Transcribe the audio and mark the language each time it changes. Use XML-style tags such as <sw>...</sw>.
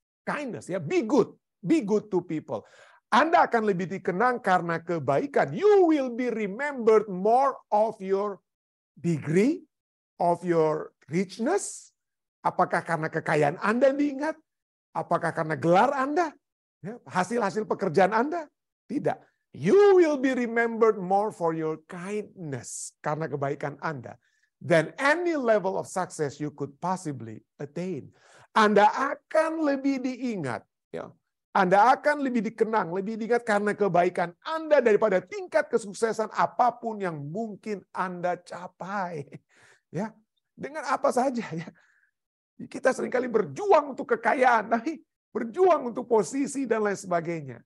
<en>Kindness ya, be good to people.</en> <id>Anda akan lebih dikenang karena kebaikan.</id> <en>You will be remembered more of your degree, of your richness.</en> <id>Apakah karena kekayaan Anda yang diingat? Apakah karena gelar Anda? Ya, hasil-hasil pekerjaan Anda? Tidak.</id> <en>You will be remembered more for your kindness,</en> <id>karena kebaikan Anda,</id> <en>than any level of success you could possibly attain.</en> <id>Anda akan lebih diingat. Ya. Anda akan lebih dikenang, lebih diingat karena kebaikan Anda daripada tingkat kesuksesan apapun yang mungkin Anda capai. Ya. Dengan apa saja. Ya. Kita seringkali berjuang untuk kekayaan, tapi berjuang untuk posisi dan lain sebagainya.</id>